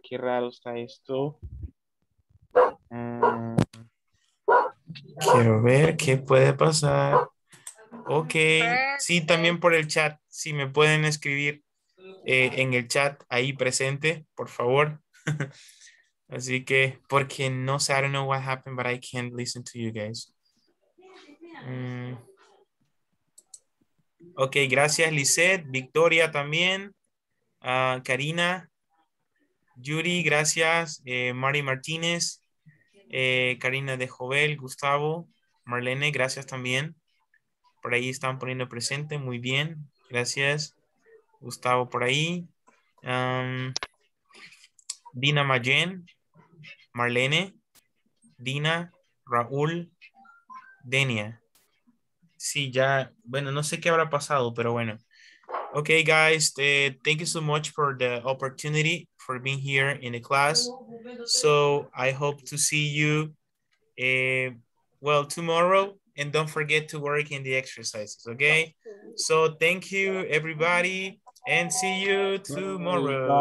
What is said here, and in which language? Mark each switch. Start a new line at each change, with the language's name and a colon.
Spanish: Qué raro está esto. Quiero ver qué puede pasar. Ok, sí, también por el chat. Sí, me pueden escribir en el chat ahí presente, por favor. Así que, porque no sé,
English: I don't know what happened, but I can't listen to you guys.
Spanish: Ok, gracias Lizeth, Victoria también, Karina, Yuri, gracias, Mari Martínez, Karina de Jovel, Gustavo, Marlene, gracias también. Por ahí están poniendo presente, muy bien, gracias. Gustavo por ahí, Dina Mayen, Marlene, Dina, Raúl, Denia. Sí, ya, bueno, no sé qué habrá pasado, pero bueno.
English: Okay, guys, thank you so much for the opportunity for being here in the class. So I hope to see you, well, tomorrow. And don't forget to work in the exercises, okay? So thank you, everybody, and see you tomorrow.